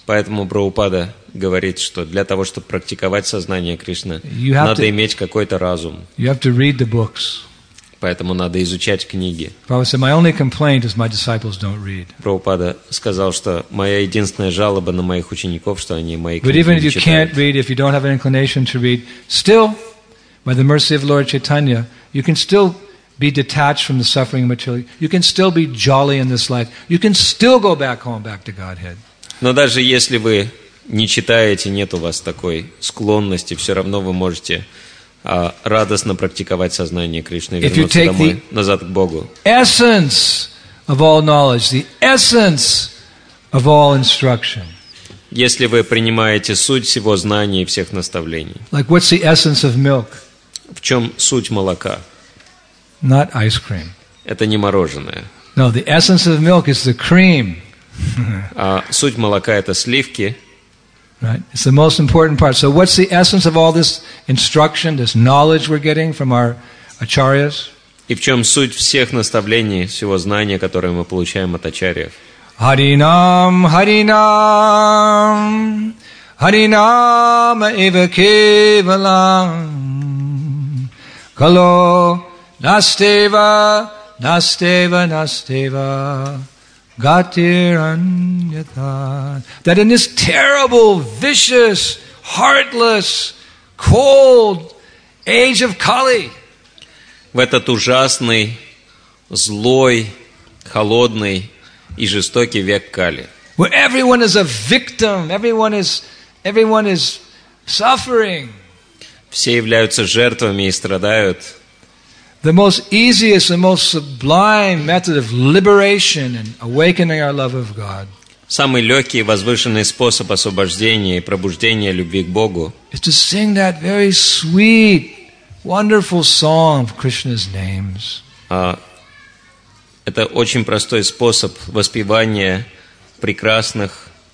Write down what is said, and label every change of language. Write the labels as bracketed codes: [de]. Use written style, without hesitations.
[ru] Поэтому Прабхупада говорит, что для того, чтобы практиковать сознание Кришны, надо иметь какой-то разум. [en] You have to read the books. [ru] Поэтому надо изучать книги. [en] Prabhupada said, my only complaint is my disciples don't read. [ru] Прабхупада сказал, что моя единственная жалоба на моих учеников, что они мои книги [en] But even [ru] не [en] if you [ru] читают. [en] Can't read, if you don't have an inclination to read, still, by the mercy of Lord Chaitanya, you can still be detached from the suffering of material. You can still be jolly in this life. You can still go back home, back to Godhead. [ru] Но даже если вы не читаете, нет у вас такой склонности, все равно вы можете радостно практиковать сознание Кришны и вернуться домой, назад к Богу. [en] Essence of all knowledge, the essence of all instruction. [ru] Если вы принимаете суть всего знания и всех наставлений. [en] Like what's the essence of milk? [ru] В чем суть молока? [en] Not ice cream. [ru] Это не мороженое. [en] No, the essence of milk is the cream. [ru] А суть молока это сливки. [en] Right, it's the most important part. So, what's the essence of all this instruction, this knowledge we're getting from our acharyas? [ru] И в чем суть всех наставлений, всего знания, которое мы получаем от ачарьев? [sa] Харинам, Харинам, Харинам, Ива Кевалам, Кало, Настева, Настева, Настева. [en] That in this terrible, vicious, heartless, cold age of Kali, [ru] в этот ужасный, злой, холодный и жестокий век Кали, [en] where everyone is a victim, everyone is suffering, [ru] все являются жертвами и страдают. [en] The most easiest, the most sublime method of liberation and awakening our love of God. [ru] Самый легкий и возвышенный способ освобождения и пробуждения любви к Богу. [en] Is to sing that very sweet, wonderful song of Krishna's names. [ru] Это очень простой способ воспевания прекрасных